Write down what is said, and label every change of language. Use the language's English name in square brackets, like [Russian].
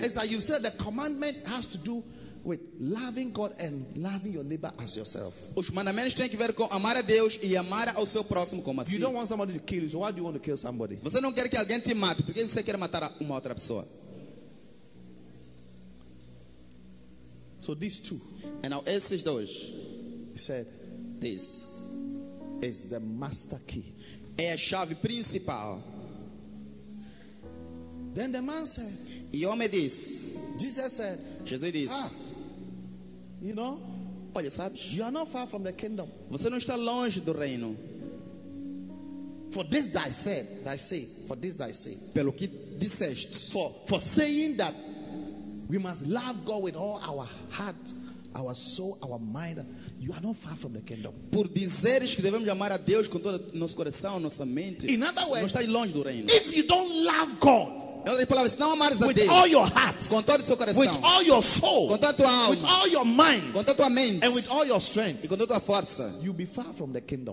[English] It's like you said, the commandment has to do with loving God and loving your neighbor as yourself. [Portuguese] Os mandamentos têm que ver com amar a Deus e amar ao seu próximo como a si. [English] You don't want somebody to kill you, so why do you want to kill somebody? [Portuguese] Você não quer que alguém te mate, porque você quer matar uma outra pessoa. [English] So these two. And now [Portuguese] esses dois. [English] He said, this is the master key. [Portuguese] É a chave principal. [English] Then the man said, [Portuguese] e o homem diz, [English] Jesus said, [Portuguese] Jesus diz, [English] ah, you know, [Portuguese] olha, sabes, [English] you are not far from the kingdom. [Portuguese] Você não está longe do reino. [English] For this thy said, thy say, for this thy say. [Portuguese] Pelo que disseste. [English] For saying that we must love God with all our heart, our soul, our mind, you are not far from the kingdom. [Portuguese] Por dizeres que devemos amar a Deus com todo o nosso coração, nossa mente. [English] In other words, [Portuguese] não está longe do reino. [English] If you don't love God, [Portuguese] palavras, não amares a [English] with [Portuguese] Deus, [English] all your heart, [Portuguese] com todo o seu coração, [English] with all your soul, [Portuguese] com toda a tua alma, [English] with all your mind, [Portuguese] com toda a tua mente, [English] and with all your strength, [Portuguese] e com toda a tua força, [English] you'll be far from the kingdom.